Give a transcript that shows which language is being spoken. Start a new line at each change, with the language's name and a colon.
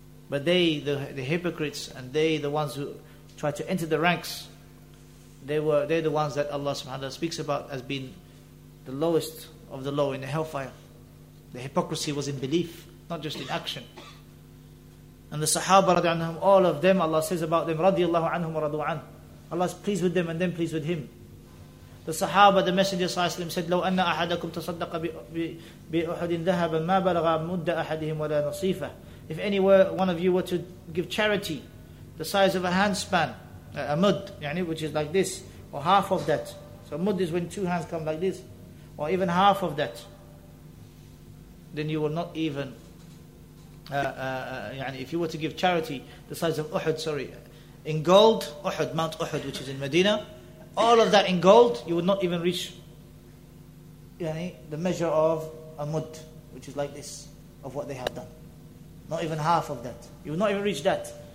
English: But they, the hypocrites, and they, the ones who tried to enter the ranks, they're the ones that Allah subhanahu wa ta'ala speaks about as being the lowest of the low in the hellfire. The hypocrisy was in belief, not just in action. And the Sahaba radiallahu anhum, all of them, Allah says about them, radiallahu anhum wa radu an. Allah is pleased with them and them pleased with him. The Sahaba, the Messenger sallallahu alayhi wa sallam, said,
Arabic: لو أن أحدكم تصدق بأحد ذهبا ما بلغ مد أحدهم ولا نصيفة.
English: If any one of you were to give charity, the size of a handspan, a mud, which is like this, or half of that. So mud is when two hands come like this, or even half of that. Then you will not even, if you were to give charity, the size of Uhud, in gold, Uhud, Mount Uhud, which is in Medina, all of that in gold, you would not even reach the measure of a mud, which is like this, of what they have done. Not even half of that. You would not even reach that.